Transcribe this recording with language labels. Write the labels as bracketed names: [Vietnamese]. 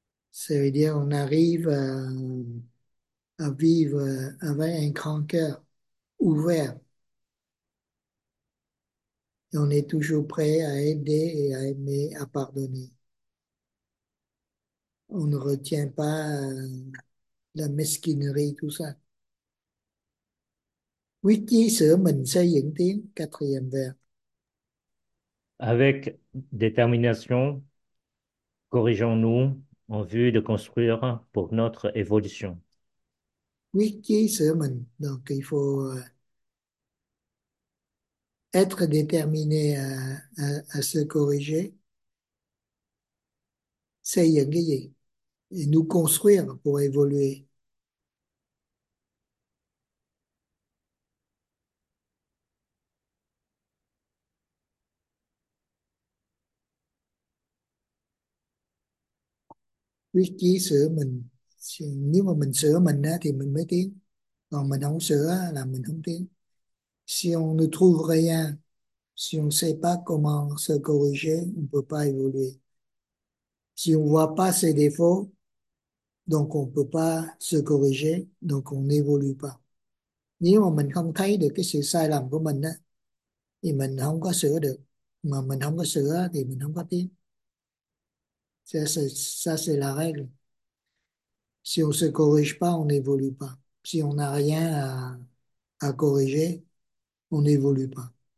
[French] Ça veut dire qu'on arrive à vivre avec un grand cœur ouvert. Et on est toujours prêt à aider et à aimer, à pardonner. On ne retient pas la mesquinerie, tout ça. [Vietnamese] Quyết chí sửa mình xây dựng tiến, [French] quatrième vers. Avec détermination, corrigeons-nous en vue de construire pour notre évolution. [Vietnamese] Quyết chí sửa mình, [French] donc il faut être déterminé à se corriger, [Vietnamese] xây dựng cái gì? [French] Et nous construire pour évoluer. [Vietnamese] Quyết chí sửa mình. Nếu mà mình sửa mình á, thì mình mới tiến. Còn mình không sửa là mình không tiến. [French] Si on ne trouve rien, si on ne sait pas comment se corriger, on ne peut pas évoluer. Si on ne voit pas ses défauts, donc on ne peut pas se corriger, donc on n'évolue pas. [Vietnamese] Nếu mà mình không thấy được cái sự sai lầm của mình á, thì mình không có sửa được. Mà mình không có sửa thì mình không có tiến. [French] Ça, c'est la règle. Si on se corrige pas, on n'évolue pas. Si on n'a rien à corriger, on n'évolue pas.